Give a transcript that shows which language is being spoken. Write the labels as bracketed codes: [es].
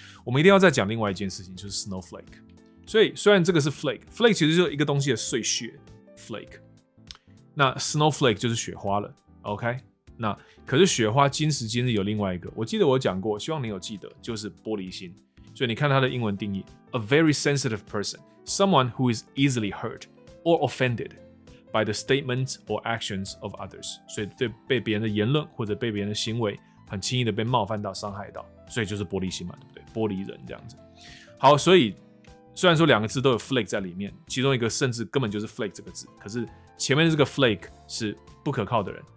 [zh] 我们一定要再讲另外一件事情，就是 snowflake。所以虽然这个是 flake 其实就是一个东西的碎屑 flake， 那 snowflake 就是雪花了， OK。那可是雪花今时今日有另外一个，我记得我讲过，希望你有记得，就是玻璃心。所以你看它的英文定义 [en] ：a very sensitive person, someone who is easily hurt or offended by the statements or actions of others。 [zh] 所以对被别人的言论或者被别人的行为，很轻易的被冒犯到、伤害到，所以就是玻璃心嘛，对不对？玻璃人这样子。好，所以虽然说两个字都有 flake 在里面，其中一个甚至根本就是 flake 这个字，可是前面的这个 flake 是不可靠的人。